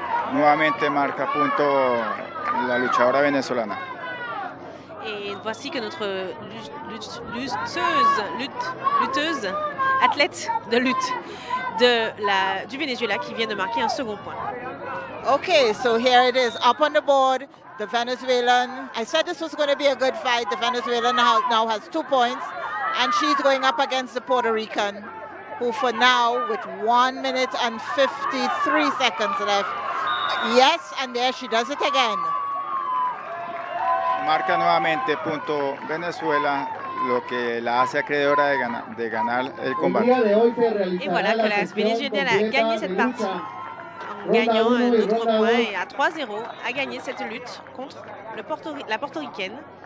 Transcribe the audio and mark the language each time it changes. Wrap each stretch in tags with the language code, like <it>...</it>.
<es>Nuevamente marca punto la luchadora venezolana.</es> <fr>Et voici que notre lutteuse, athlète de lutte du Venezuela qui vient de marquer un second point.</fr> <en>Okay, so here it is, up on the board, the Venezuelan. I said this was going to be a good fight. The Venezuelan now has 2 points, and she's going up against the Puerto Rican, who for now, with 1 minute and 53 seconds left. Yes, and there she does it again.</en> <es>Marca nuevamente punto Venezuela, lo que la hace acreedora de ganar el combate. El día de hoy se</es> <fr>y voilà que la Venezuela a gagné cette partie. En gagnant un autre point et à 3-0, a gagné cette lutte contre la portoricaine.</fr>